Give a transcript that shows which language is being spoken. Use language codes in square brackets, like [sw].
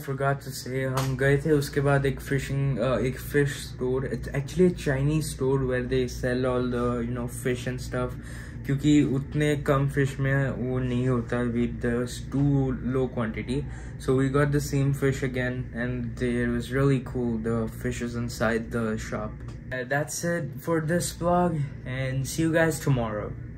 [en] To say, [hi] हम गए थे उसके बाद एक fishing एक [en] fish store. It's actually a Chinese store where they sell all the, you know, fish and stuff. [hi] क्योंकि उतने कम फिश में वो नहीं होता, [en] with the too low quantity. So we got the same fish again, and it was really cool, the fishes inside the shop. That's it for this vlog, and see you guys tomorrow.